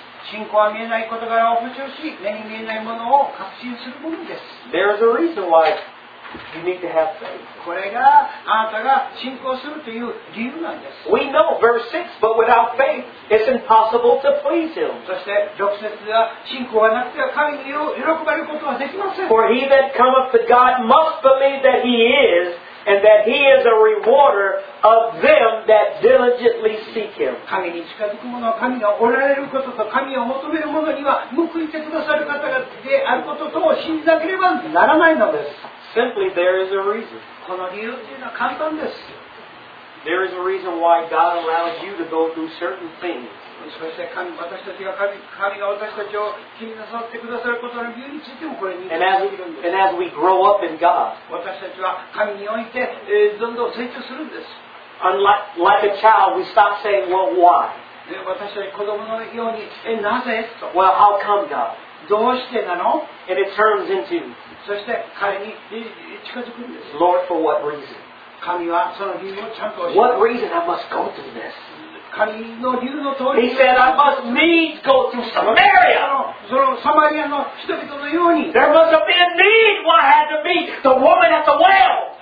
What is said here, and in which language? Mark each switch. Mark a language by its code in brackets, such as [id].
[ja] 信仰は見えない事柄を保証し、目に見えないものを確信するものです。 [en] There is a reason why you need to have faith. [ja] これがあなたが信仰するという理由なんです。 [en] We know verse 6, but without faith, it's impossible to please Him. [ja] そして6節では信仰がなくては神に喜ばれることはできません。 [en] For he that cometh to God must believe that He is. And that He is a rewarder of them that diligently seek Him. [ja] 神に近づく者は神がおられることと神を求める者には報いてくださる方であることとを信じなければならないのです。 [en] Simply, there is a reason. [ja] この理由というのは簡単です。 [en] There is a reason why God allows you to go through certain things. [ja] そして神が私たちを気になさってくださることの理由についてもこれに言っているんです。 [en] And as we grow up in God, [ja] 私たちは神において、どんどん成長するんです。 [en] Unlike a child, we stop saying, well, why? [ja] 私たち子供のように、なぜ? と。 [en] Well, how come, God? [ja] どうしてなの? [en] And it turns into, [ja] そして彼に近づくんです。 [en] Lord, for what reason? [ja] 神はその理由をちゃんと [en] What reason I must go through this? [ja] 神の理由の通り [en] He said, I must needs go through Samaria. その、その、その、その、その、 There must have been need what had to be the woman at the well.